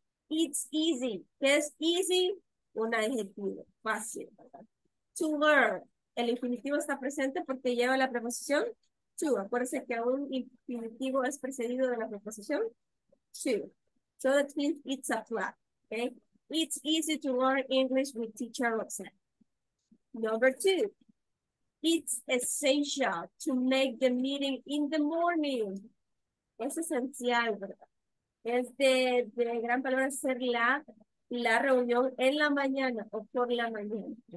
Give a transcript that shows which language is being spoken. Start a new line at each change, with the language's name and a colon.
English: It's easy.
Spanish: ¿Qué es easy? Un adjetivo, fácil, ¿verdad?
English: To learn.
Spanish: El infinitivo está presente porque lleva la preposición to. Acuérdense que un infinitivo es precedido de la preposición to.
English: So that means it's a plus, okay? It's easy to learn English with teacher Roxanne. Number two, it's essential to make the meeting in the morning.
Spanish: Es esencial, ¿verdad? Es de gran valor hacer la reunión en la mañana o por la mañana.